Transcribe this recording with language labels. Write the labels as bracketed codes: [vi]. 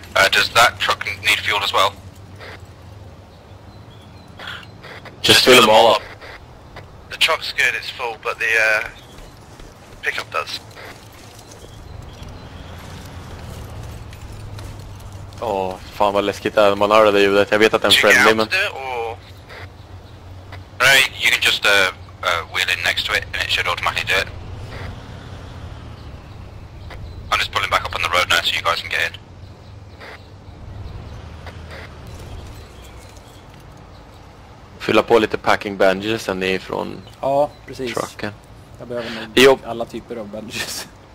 [en] Does that truck need fuel as well? Just fill them all up. The truck's good, it's full, but the pickup does. [sv] Åh, oh, fan vad läskigt det är, man hör det ju, jag vet att den friendly men... [en] Nej, you can just wheel in next to it and it should automatically do it. I'm just pulling back up on the road now so you guys can get in. [sv] Fylla på lite packing bandages sen ni från... Ja, precis. Trucken. Jag behöver nog alla typer av bandages.